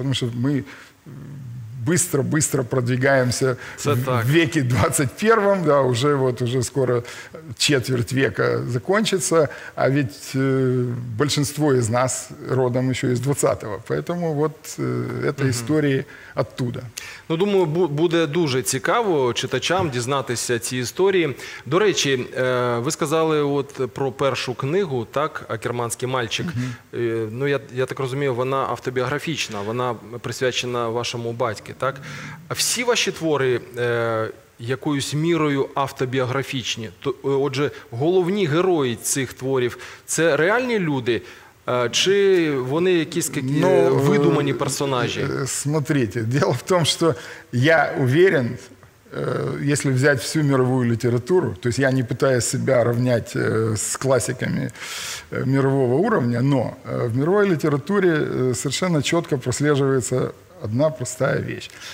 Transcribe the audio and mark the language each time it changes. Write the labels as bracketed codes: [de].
[ru] Потому что мы быстро-быстро продвигаемся в веке 21-м, да, уже, вот, уже скоро четверть века закончится, а ведь большинство из нас родом еще из 20-го. Поэтому вот это истории оттуда. [uk] Ну, думаю, буде дуже цікаво читачам дізнатися ці історії. До речі, ви сказали от про першу книгу, так, «Акерманський мальчик». Ну, я так розумію, вона автобіографічна, вона присвячена вашому батьку, так? А всі ваші твори якоюсь мірою автобіографічні? Отже, головні герої цих творів – це реальні люди? Чи вони якісь видумані персонажі? [ru] Смотрите, дело в том, что я уверен, если взять всю мировую литературу, то есть я не пытаюсь себя равнять с классиками мирового уровня, но в мировой литературе совершенно четко прослеживается одна простая вещь.